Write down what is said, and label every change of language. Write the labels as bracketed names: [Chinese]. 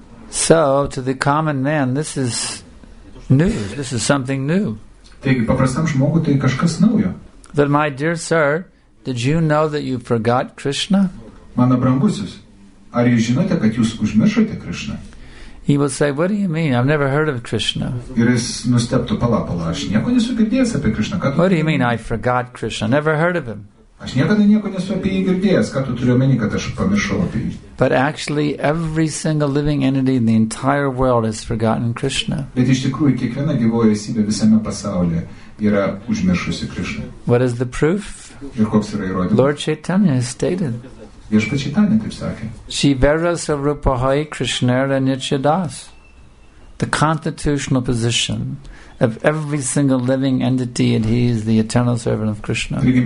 [English] So, to the common man, this is news. This is something new. But my dear sir, did you know that you forgot Krishna? [Lithuanian] Mano brangusis, ar jūs žinote, kad jūs užmiršote Krishna? [English] He will say, what do you mean? I've never heard of Krishna. [Lithuanian] Ir jis nusteptų, pala, aš nieko nesu girdėjęs apie Krishna. Ką tu [English] what do you mean, I forgot Krishna? Never heard of him. [Lithuanian] Aš niekada nieko nesu apie jį girdėjęs. Ką tu turi omeny, kad aš pamiršau apie jį? [English] But actually, every single living entity in the entire world has forgotten Krishna. [Lithuanian] Bet iš tikrųjų, kiekviena gyvoja esybė visame pasaulyje yra užmiršusi Krishna. [English] What is the proof? Lord Chaitanya has stated [Bangla] Shivera Sarupahai Krishnara Nityadas, [English] the constitutional position of every single living entity, and he is the eternal servant of Krishna.